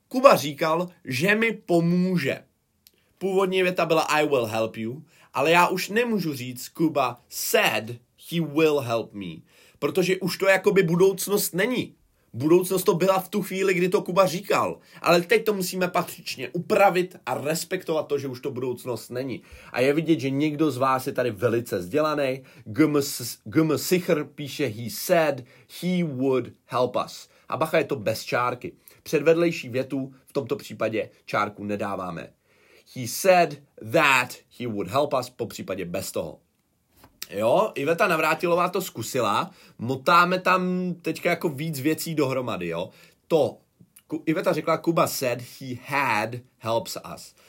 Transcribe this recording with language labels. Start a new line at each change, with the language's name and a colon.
Czech: Kuba říkal, že mi pomůže. Původní věta byla
English: I will help you,
Czech: ale já už nemůžu říct,
English: Kuba said he will help me.
Czech: Protože už to jakoby budoucnost není. Budoucnost to byla v tu chvíli, kdy to Kuba říkal. Ale teď to musíme patřičně upravit a respektovat to, že už to budoucnost není. A je vidět, že někdo z vás je tady velice vzdělaný.
English: Gm Sicher
Czech: píše,
English: he said he would help us.
Czech: A bacha, je to bez čárky. Před vedlejší větu v tomto případě čárku nedáváme.
English: He said that he would help us,
Czech: po případě bez toho. Jo, Iveta Navrátilová to zkusila, motáme tam teďka jako víc věcí dohromady, jo. To, Iveta řekla,
English: Kuba said he had helps us.